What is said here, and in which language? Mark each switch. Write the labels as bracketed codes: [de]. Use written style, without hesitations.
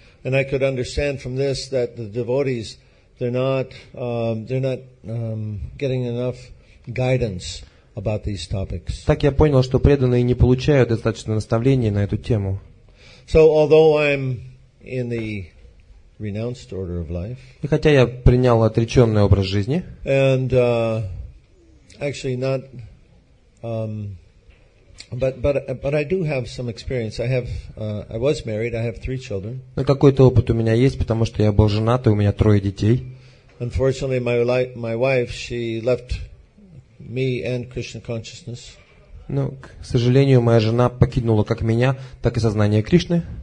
[en] And I could understand from this that the devotees, they're not getting enough guidance about these topics. [ru] Так я понял, что преданные не получают достаточно наставления на эту тему. [en] So although I'm in the renounced order of life, [ru] и хотя я принял отреченный образ жизни, [en] and actually not, but I do have some experience. I was married. I have 3 children. [ru] Но какой-то опыт у меня есть, потому что я был женат и у меня 3 детей. [en] Unfortunately, my wife, she left me and Krishna consciousness. [ru] Ну, к сожалению, моя жена покинула как меня, так и сознание Кришны.